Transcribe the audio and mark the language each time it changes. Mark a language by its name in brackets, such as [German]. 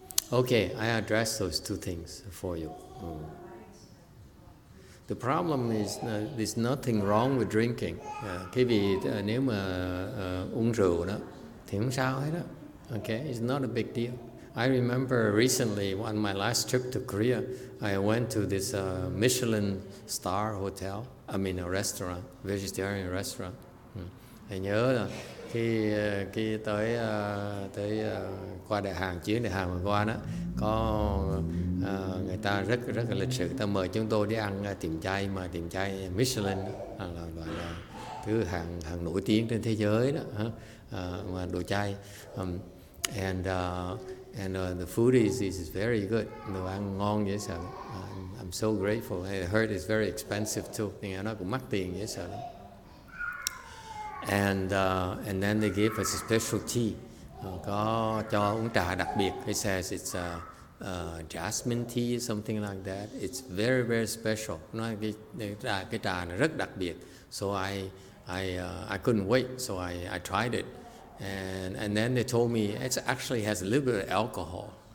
[English] Okay, I address those two things for you. The problem is there's nothing wrong with drinking. [Vietnamese] Cái vì nếu mà uống rượu đó thì không sao hết á. [English] Okay, it's not a big deal. I remember recently on my last trip to Korea, I went to this Michelin star hotel. I mean a restaurant, vegetarian restaurant. [Vietnamese] Anh nhớ là khi tới tới qua đại hàng chuyến đại hàng vừa qua đó, có người ta rất rất là lịch sự, ta mời chúng tôi đi ăn tiệm chay mà tiệm chay Michelin là gọi là thứ hàng nổi tiếng trên thế giới đó, mà đồ chay. [English] The food is very good. [Vietnamese] Đồ ăn ngon dễ sợ. [English] I'm so grateful. I heard it's very expensive too. [Vietnamese] Thì nghe nói cũng mắc tiền dễ sợ lắm. [English] And then they gave us a special tea. [Vietnamese] Có cho uống trà đặc biệt. [English] It says it's a jasmine tea, something like that. It's very very special. [Vietnamese] Nói cái trà này rất đặc biệt. [English] So I couldn't wait. So I tried it. And then they told me it actually has a little bit of alcohol.